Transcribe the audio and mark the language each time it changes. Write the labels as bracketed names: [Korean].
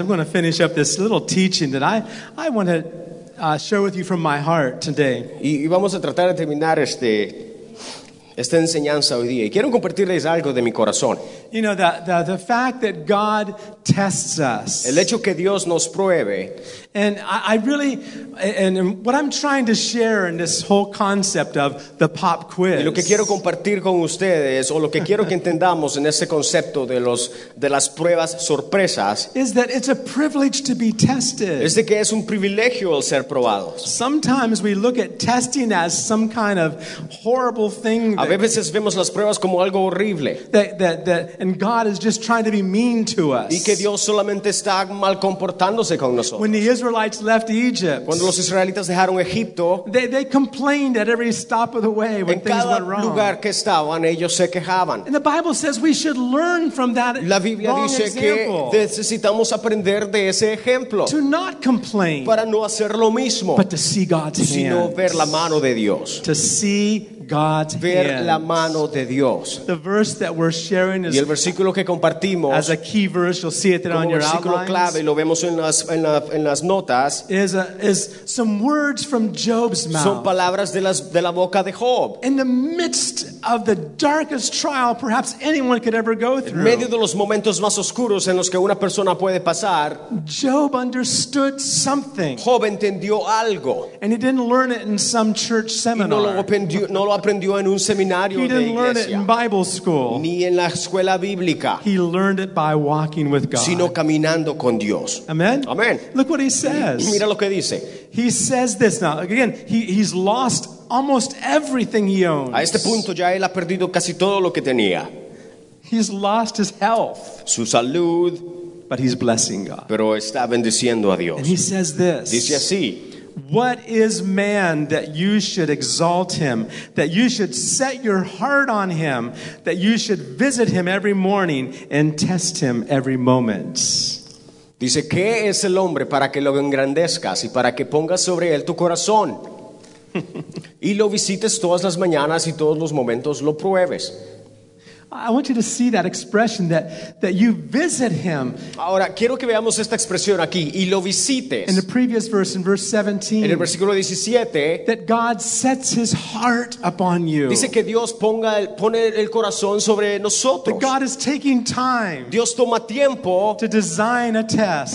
[English] I'm going to finish up this little teaching that I want to share with you from my heart today. [Spanish] Y vamos a tratar de terminar esta enseñanza hoy día. Y quiero compartirles algo de mi corazón. [English] You know, the fact that God tests us. [Spanish] El hecho que Dios nos pruebe. [English] And I really, what I'm trying to share in this whole concept of the pop quiz. [Spanish] Y lo que quiero compartir con ustedes, o lo que quiero que entendamos en este concepto de las pruebas sorpresas. [English] Is that it's a privilege to be tested. [Spanish] Es de que es un privilegio el ser probados. [English] Sometimes we look at testing as some kind of horrible thing. [Spanish] A veces vemos las pruebas como algo horrible. [English] And God is just trying to be mean to us. [Spanish] Y que Dios solamente está mal comportándose con nosotros. [English] When the Israelites left Egypt, [Spanish] cuando los israelitas dejaron Egipto, [English] they complained at every stop of the way when things went wrong. [Spanish] En cada lugar que estaban, ellos se quejaban. [English] And the Bible says we should learn from that wrong example. [Spanish] La Biblia dice que necesitamos aprender de ese ejemplo. [English] To not complain, [Spanish] para no hacer lo mismo, [English] but to see God's hand, [Spanish] sino ver la mano de Dios. [English] To see God's [Spanish] ver la mano de Dios. [English] The verse that we're sharing is [Spanish] y el versículo que compartimos, [English] as a key verse, you'll see it on your outlines, [Spanish] clave, lo vemos en las notas, [English] is some words from Job's mouth. [Spanish] Son palabras de la boca de Job. [English] In the midst of the darkest trial perhaps anyone could ever go through. [Spanish] En medio de los momentos más oscuros en los que una persona puede pasar, [English] Job understood something. [Spanish] Job entendió algo. [English] And he didn't learn it in some church seminar. [Spanish] No lo aprendió en un seminario de iglesia. [English] He didn't learn it in Bible school. [Spanish] Ni en la escuela bíblica. [English] He learned it by walking with God. [Spanish] Sino caminando con Dios. [English] Amen. [Spanish] Amen. [English] Look what he says. [Spanish] Y mira lo que dice. [English] He says this now. Again, he's lost almost everything he owns. [Spanish] A este punto ya él ha perdido casi todo lo que tenía. [English] He's lost his health. [Spanish] Su salud. [English] But he's blessing God. [Spanish] Pero está bendiciendo a Dios. [English] And he says this. [Spanish] Dice así. [English] What is man that you should exalt him, that you should set your heart on him, that you should visit him every morning and test him every moment? [Spanish] Dice, ¿qué es el hombre para que lo engrandezcas y para que pongas sobre él tu corazón y lo visites todas las mañanas y todos los momentos lo pruebes? [English] I want you to see that expression that you visit him. [Spanish] Ahora quiero que veamos esta expresión aquí y lo visites. [English] In the previous verse, in verse 17, [Spanish] en el versículo 17, [English] that God sets His heart upon you. [Spanish] Dice que Dios pone el corazón sobre nosotros. [English] That God is taking time. [Spanish] Dios toma tiempo [English] to design a test.